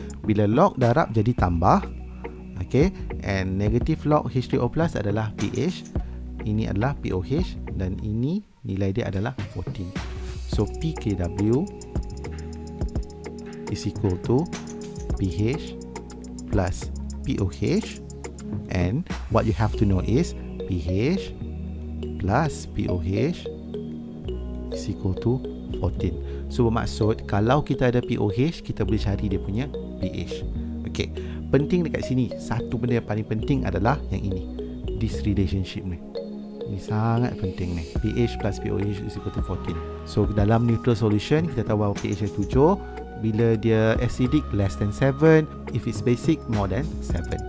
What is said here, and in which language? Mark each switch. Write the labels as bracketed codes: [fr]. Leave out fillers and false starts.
[ms] Bila log darab jadi tambah, okay, and negative log H2O plus adalah pH, ini adalah pOH dan ini nilai dia adalah 14. [en] So pKW is equal to pH plus pOH, and what you have to know is pH plus pOH is equal to 14. [ms] So bermaksud kalau kita ada pOH, kita boleh cari dia punya pH. Okay, penting dekat sini, satu benda yang paling penting adalah yang ini, this relationship ni. Ini sangat penting ni. pH plus pOH is equal to 14. So dalam neutral solution, kita tahu bahawa pH dia 7. [en] Bila dia acidic, less than 7. If it's basic, more than 7.